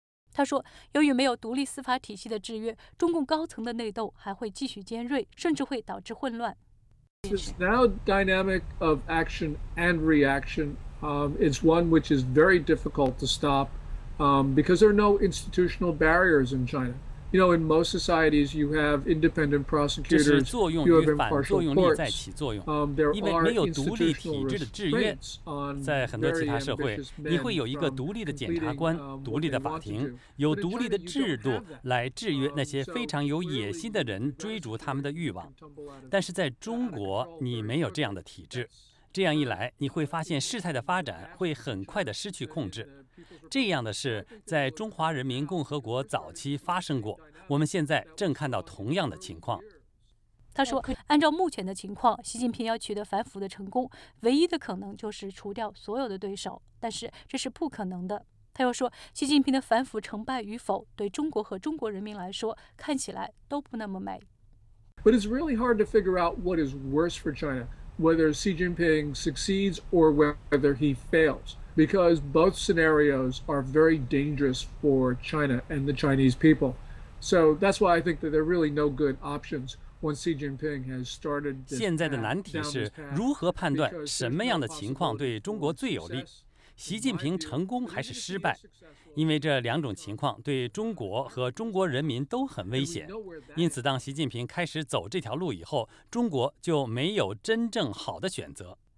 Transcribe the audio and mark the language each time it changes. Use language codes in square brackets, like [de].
[zh] 他说，由于没有独立司法体系的制约，中共高层的内斗还会继续尖锐，甚至会导致混乱。 [en] This now dynamic of action and reaction is one which is very difficult to stop because there are no institutional barriers in China. You know, in most societies, you have independent prosecutors, you have impartial courts. There are institutional restraints on very ambitious measures from completing what you want to do. [zh] 有独立的制度来制约那些非常有野心的人追逐他们的欲望。但是在中国，你没有这样的体制。这样一来，你会发现事态的发展会很快地失去控制。这样的事在中华人民共和国早期发生过，我们现在正看到同样的情况。他说，按照目前的情况，习近平要取得反腐的成功，唯一的可能就是除掉所有的对手，但是这是不可能的。他又说，习近平的反腐成败与否，对中国和中国人民来说，看起来都不那么美。 [en] But it's really hard to figure out what is worse for China, whether Xi Jinping succeeds or whether he fails. Because both scenarios are very dangerous for China and the Chinese people. So that's why I think that there are really no good options once Xi Jinping has started this path. [zh] 现在的难题是如何判断什么样的情况对中国最有利，习近平成功还是失败，因为这两种情况对中国和中国人民都很危险。因此当习近平开始走这条路以后，中国就没有真正好的选择。